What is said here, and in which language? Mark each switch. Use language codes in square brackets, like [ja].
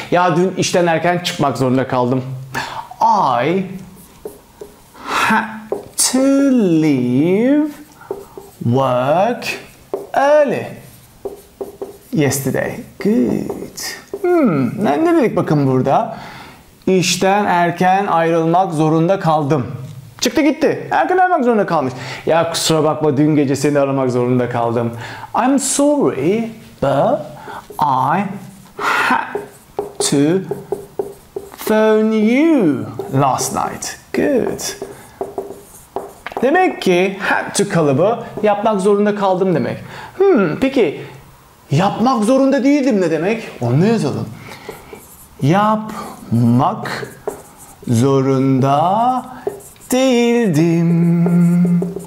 [tr] Ya dün işten erken çıkmak zorunda kaldım. [en] I had to leave work early yesterday. Good. [tr] Ne dedik bakın burada? İşten erken ayrılmak zorunda kaldım. Çıktı gitti. Erken ayrılmak zorunda kalmış. Ya kusura bakma, dün gece seni aramak zorunda kaldım. [en] I'm sorry but I had to phone you last night. Good. [tr] Demek ki had to kalıbı yapmak zorunda kaldım demek. Peki yapmak zorunda değildim ne demek? Onu da yazalım. Yapmak zorunda değildim.